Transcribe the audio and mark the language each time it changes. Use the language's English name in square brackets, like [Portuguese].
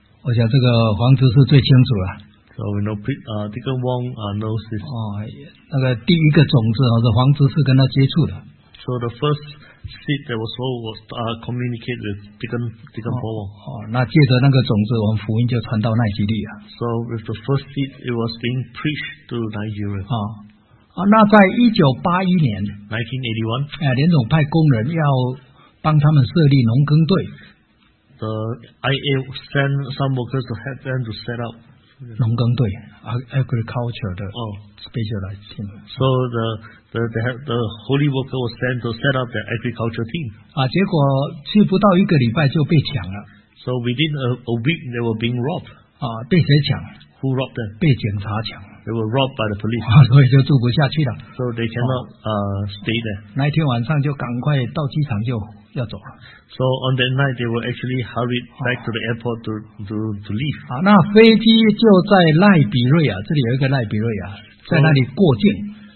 [Chinese] 我想这个黄执事最清楚了。 [English] So we know, Deacon Wong knows this. [Chinese] 那个第一个种子是黄执事跟他接触的。 [English] So the first seed that was sown was communicated with Deacon Paul. [Chinese] 那借着那个种子，我们福音就传到奈及利亚。 [English] So with the first seed, it was being preached to Nigeria. [Chinese] 那在1981年 [English] 1981. [Chinese] 联总派工人要帮他们设立农耕队。 [English] The IA sent some workers to help them to set up [Chinese] 农耕队 [English] agriculture [Chinese] 的 [English] specialized team. So the holy worker was sent to set up the agriculture team. [Chinese] 结果去不到一个礼拜就被抢了。 [English] So within a week they were being robbed. [Chinese] 被谁抢？ [English] Who robbed them? [Chinese] 被警察抢。 [English] They were robbed by the police. [Chinese] 所以就住不下去了。 [English] So they cannot stay there. [Chinese] 那天晚上就赶快到机场就要走了。 [English] So on that night, they were actually hurried back to the airport to leave. [Chinese] 好，那飞机就在赖比瑞亚，这里有一个赖比瑞亚，在那里过境。